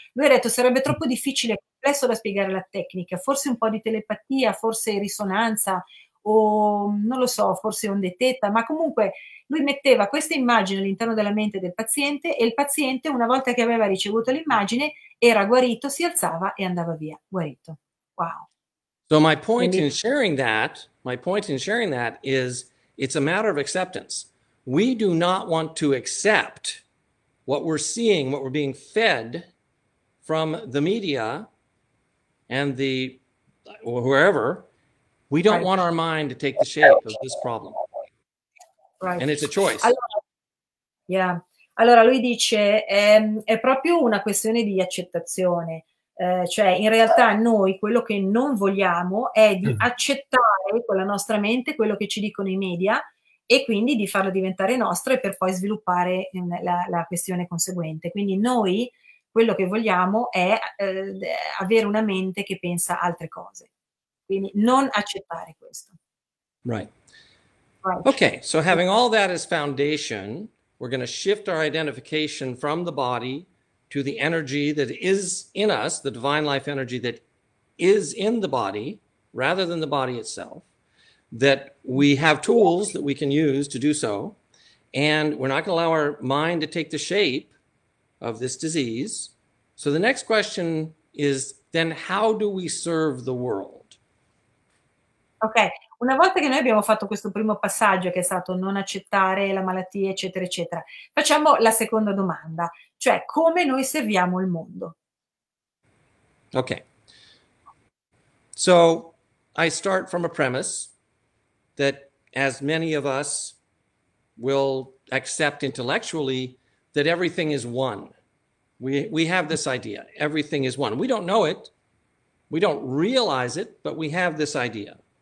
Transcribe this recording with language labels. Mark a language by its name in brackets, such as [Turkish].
[Italian] Lui ha detto sarebbe troppo difficile e complesso da spiegare la tecnica, forse un po' di telepatia, forse risonanza o non lo so, forse onde teta, ma comunque lui metteva questa immagine all'interno della mente del paziente e il paziente una volta che aveva ricevuto l'immagine era guarito, si alzava e andava via, guarito. Wow. [English] So my point in sharing that is it's a matter of acceptance. We do not want to accept what we're seeing, what we're being fed from the media and the whoever. We don't want our mind to take the shape of this problem. Right. And it's a choice. [Italian] Allora lui dice, è proprio una questione di accettazione. Cioè, in realtà noi quello che non vogliamo è di accettare con la nostra mente quello che ci dicono i media e quindi di farlo diventare nostro e per poi sviluppare la questione conseguente. Quindi noi quello che vogliamo è avere una mente che pensa altre cose. Quindi non accettare questo. [English] Right. Okay, so having all that as foundation, we're going to shift our identification from the body to the energy that is in us, the divine life energy that is in the body, rather than the body itself, that we have tools that we can use to do so, and we're not going to allow our mind to take the shape of this disease. So the next question is, then how do we serve the world? Okay. [Italian] Una volta che noi abbiamo fatto questo primo passaggio, che è stato non accettare la malattia, eccetera, eccetera, facciamo la seconda domanda, cioè come noi serviamo il mondo? Ok. [English] So, I start from a premise that as many of us will accept intellectually that everything is one. We have this idea, everything is one. We don't know it, we don't realize it, but we have this idea.